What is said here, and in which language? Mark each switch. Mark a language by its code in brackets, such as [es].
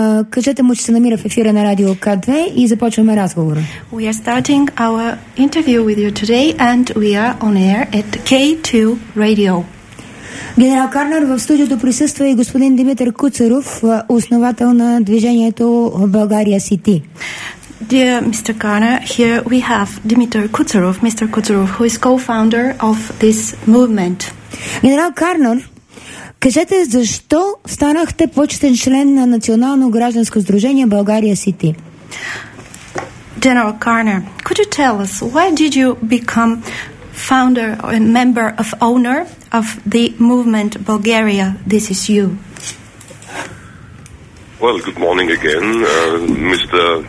[bg] Кажете му, че се намира в ефира на Радио К2 и започваме разговора. [en] We are starting our interview with you today and we are on air at K2 Radio. [bg] Генерал Картнер, в студиото присъства и господин Димитър Куцаров, основател на движението България Сити. [en] Dear Mr. Karner, here we have Dimitar Kutserov, Mr. Kutserov, who is co-founder of this movement. [bg] Генерал Картнер, кажете, защо станахте почетен член на Национално гражданско сдружение България Сити? [en] General Karner, could you tell us why did you become founder or member of owner of the movement Bulgaria? This is you. Well, good morning again, Mr.